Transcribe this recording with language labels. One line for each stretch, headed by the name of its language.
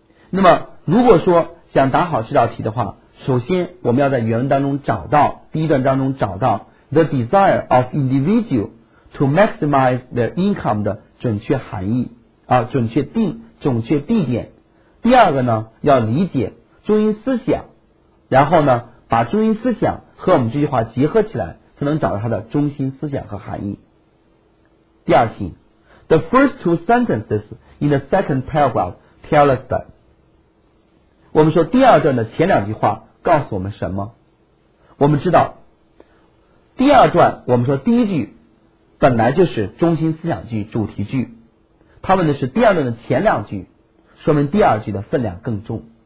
Chinese: 那么，如果说想答好这道题的话，首先我们要在原文当中找到，第一段当中找到 the desire of individual to maximize their income 的准确含义啊，准确地点。第二个呢，要理解中英思想，然后呢，把中英思想和我们这句话结合起来，才能找到它的中心思想和含义。
English: 第二题，the first two sentences in the second paragraph tell us that。
Chinese: 我们说第二段的前两句话告诉我们什么？我们知道第二段，我们说第一句本来就是中心思想句、主题句，他问的是第二段的前两句，说明第二句的分量更重。